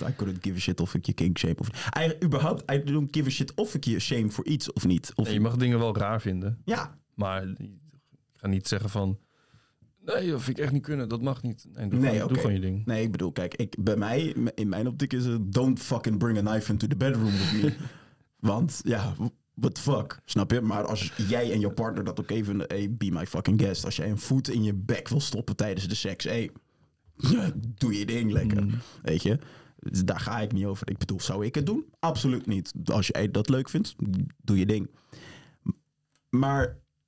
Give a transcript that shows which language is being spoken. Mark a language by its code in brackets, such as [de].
[en] I couldn't give a shit [nl] of ik je kinkshame of niet. Überhaupt, [en] I don't give a shit [nl] of ik je shame voor iets of niet. Of nee, je mag dingen wel raar vinden. Ja. Maar ik ga niet zeggen van... Nee, dat vind ik echt niet kunnen. Dat mag niet. Doe gewoon je ding. Nee, ik bedoel, kijk, in mijn optiek is het... [en] Don't fucking bring a knife into the bedroom with me. [nl] Want, ja, [en] what the fuck? [nl] Snap je? Maar als jij en je partner dat ook even... Hey, [en] be my fucking guest. [nl] Als jij een voet in je bek wil stoppen tijdens de seks... Hey, doe je ding lekker. Mm. Weet je? Daar ga ik niet over. Ik bedoel, zou ik het doen? Absoluut niet. Als jij dat leuk vindt, doe je ding. Maar...